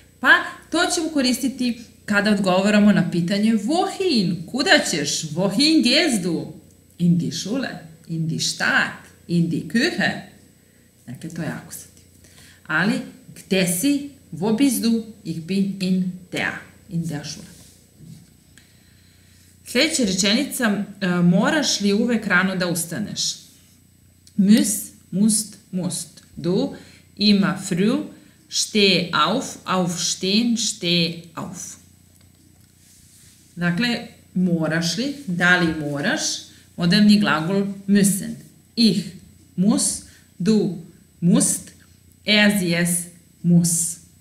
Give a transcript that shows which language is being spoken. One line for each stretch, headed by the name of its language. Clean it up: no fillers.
Serbian: Pa to ćemo koristiti kada odgovaramo na pitanje wohin, kuda ćeš,
German: wohin gehst du? In die Schule, in die Stadt, in die Küche.
Serbian: Dakle, to je akuzativ. Ali, gde si,
German: wo bist du, ich bin in der Schule.
Serbian: Sljedeća rečenica, moraš li uvek rano da ustaneš?
German: Musst. Du immer früh, steh auf, aufstehen, steh auf.
Serbian: Dakle, moraš li, da li moraš, moderni glagol müssen.
German: Ich muss, du musst, er, sie, es muss.